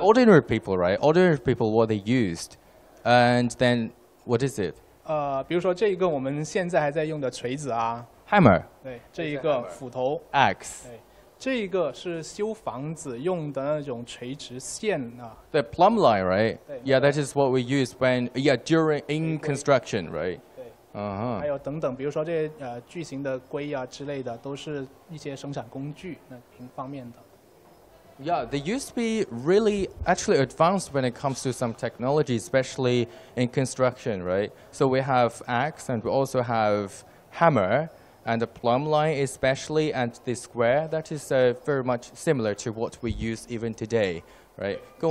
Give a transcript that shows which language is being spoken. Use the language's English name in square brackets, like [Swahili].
[English] Ordinary people, right? Ordinary people, what they used. And then, what is it? [Chinese] 比如说这一个我们现在还在用的锤子啊。 [English] Hammer. [Chinese] 对，这一个斧头. [English] Axe. [Chinese] 对，这一个是修房子用的那种垂直线啊。 [English] The plumb line, right? Yeah, that is what we use when during construction, right? [Chinese] 对。还有等等，比如说这巨型的龟啊之类的，都是一些生产工具，那平方面的。 [English] Yeah, they used to be really actually advanced when it comes to some technology, especially in construction, right? So we have axe and we also have hammer. And the plumb line especially, and the square, that is very much similar to what we use even today, right?